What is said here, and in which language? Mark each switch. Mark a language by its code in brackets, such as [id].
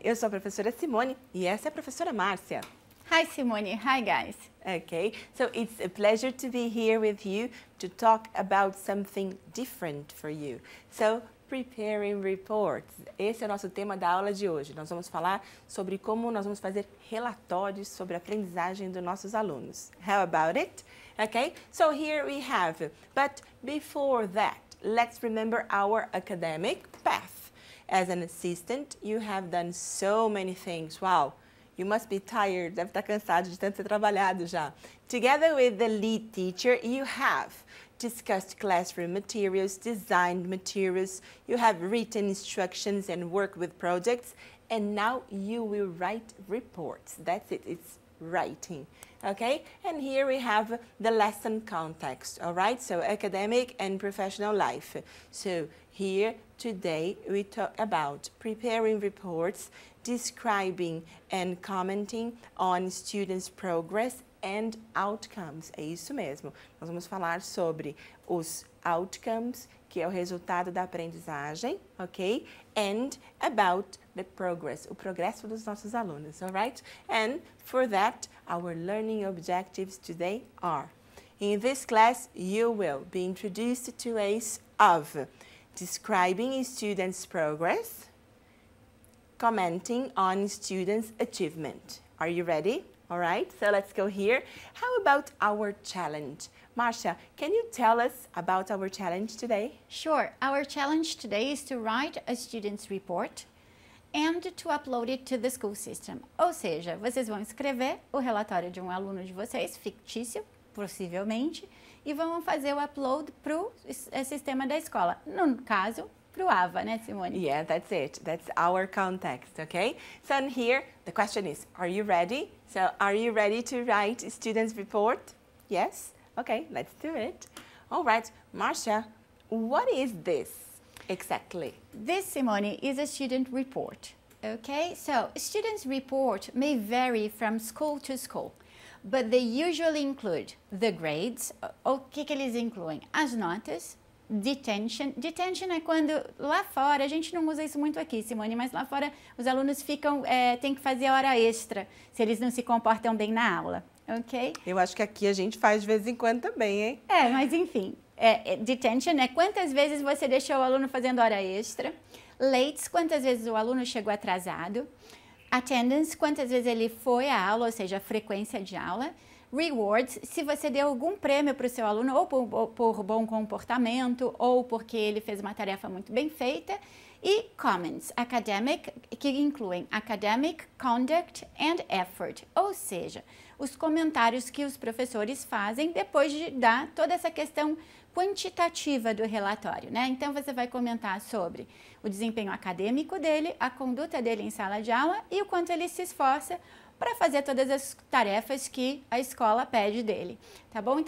[pt] Eu sou a professora Simone e essa é a professora Márcia. [en] Hi Simone, hi guys. Okay, so it's a pleasure to be here with you to talk about something different for you. So, preparing reports. [pt] Esse é o nosso tema da aula de hoje. Nós vamos falar sobre como nós vamos fazer relatórios sobre a aprendizagem dos nossos alunos. [en] How about it? Okay, so here we have. But before that, let's remember our academic path. As an assistant, you have done so many things. Wow, you must be tired. [pt] Deve estar cansado de tanto ter trabalhado já. [en] Together with the lead teacher, you have discussed classroom materials, designed materials, you have written instructions and worked with projects, and now you will write reports. That's it, it's writing. Okay, and here we have the lesson context, all right? So academic and professional life. So here today we talk about preparing reports, describing and commenting on students' progress and outcomes. [pt] É isso mesmo. Nós vamos falar sobre os outcomes, que é o resultado da aprendizagem, ok? [en] And about the progress, [pt] o progresso dos nossos alunos, [en] all right? And for that, our learning objectives today are: in this class, you will be introduced to ways of describing a student's progress, commenting on students' achievement. Are you ready? All right, so let's go here. How about our challenge? Marcia, can you tell us about our challenge today? Sure. Our challenge today is to write a student's report and to upload it to the school system. [pt] Ou seja, vocês vão escrever o relatório de um aluno de vocês, fictício, possivelmente, e vão fazer o upload para o sistema da escola. No caso, para o AVA, né, Simone? [en] Yeah, that's it. That's our context, okay? So, in here, the question is, are you ready? So, are you ready to write a student's report? Yes? Okay, let's do it. All right, Marcia, what is this exactly? This, Simone, is a student report, okay? So, a student's report may vary from school to school, but they usually include the grades. [pt] O que que eles incluem? As notas. Detention. Detention é quando lá fora, a gente não usa isso muito aqui, Simone, mas lá fora os alunos ficam, tem que fazer hora extra se eles não se comportam bem na aula, ok? Eu acho que aqui a gente faz de vez em quando também, hein? É, mas enfim, detention é quantas vezes você deixou o aluno fazendo hora extra, late, quantas vezes o aluno chegou atrasado, attendance, quantas vezes ele foi à aula, ou seja, a frequência de aula, rewards, se você deu algum prêmio para o seu aluno, ou por bom comportamento, ou porque ele fez uma tarefa muito bem feita. E comments, academic, que incluem academic, conduct and effort. Ou seja, os comentários que os professores fazem depois de dar toda essa questão quantitativa do relatório, né? Então, você vai comentar sobre o desempenho acadêmico dele, a conduta dele em sala de aula e o quanto ele se esforça para fazer todas as tarefas que a escola pede dele, tá bom?